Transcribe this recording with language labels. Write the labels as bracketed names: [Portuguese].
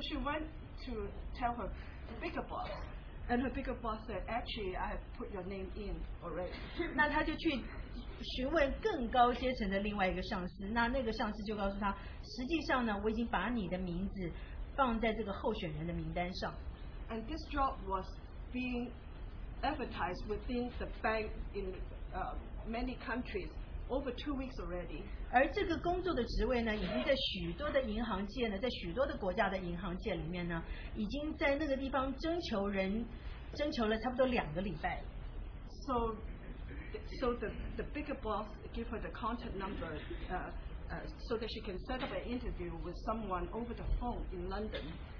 [English] she went to tell her bigger boss, and her bigger boss said, "Actually, I have put your name in already." [Chinese] 那他就去。询问更高阶层的另外一个上司，那个上司就告诉他，实际上呢，我已经把你的名字放在这个候选人的名单上。 [English] And this job was being advertised within the bank in many countries over 2 weeks already. [Chinese] 而这个工作的职位呢，已经在许多的银行界呢，在许多的国家的银行界里面呢，已经在那个地方征求人，征求了差不多两个礼拜。 [English] So The bigger boss gave her the contact number so that she can set up an interview with someone over the phone in London.